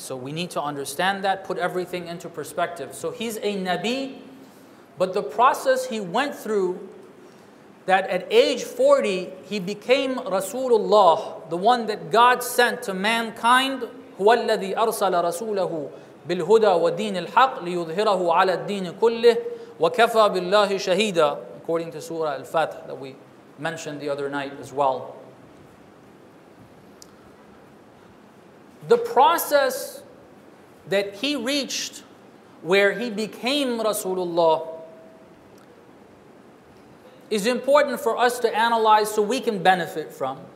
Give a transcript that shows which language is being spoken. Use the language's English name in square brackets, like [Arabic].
[English] So we need to understand that, put everything into perspective. So he's a Nabi, but the process he went through, that at age 40, he became Rasulullah, the one that God sent to mankind. [Arabic] هو الذي أرسل رسوله بالهدى ودين الحق ليظهره على الدين كله وكفى بالله شهيدا. [English] According to Surah Al-Fath that we mentioned the other night as well. The process that he reached where he became Rasulullah is important for us to analyze so we can benefit from.